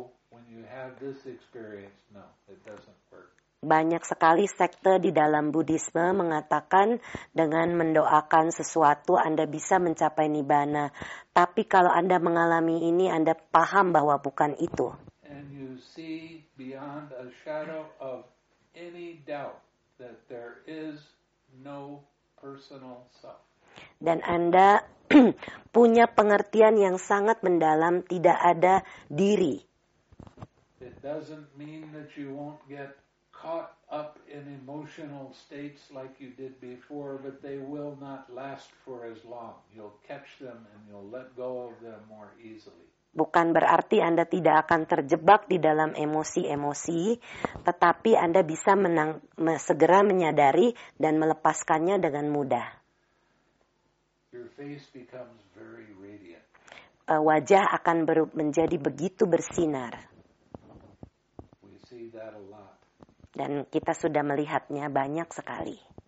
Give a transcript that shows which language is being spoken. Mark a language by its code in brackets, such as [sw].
[en] When you have this experience, no, it doesn't work. [id] Banyak sekali sekte di dalam Buddhisme mengatakan dengan mendoakan sesuatu Anda bisa mencapai nibbana. Tapi kalau Anda mengalami ini, Anda paham bahwa bukan itu. [en] And you see beyond a shadow of any doubt that there is no personal self. [id] Dan Anda punya pengertian yang sangat mendalam, tidak ada diri. [en] It doesn't mean that you won't get caught up in emotional states like you did before, but they will not last for as long. You'll catch them and you'll let go of them more easily. [id] Bukan berarti Anda tidak akan terjebak di dalam emosi-emosi, tetapi Anda bisa segera menyadari dan melepaskannya dengan mudah. [en] Your face becomes very radiant. [id] Wajah akan menjadi begitu bersinar. [en] We see that a lot. [id] Dan kita sudah melihatnya banyak sekali.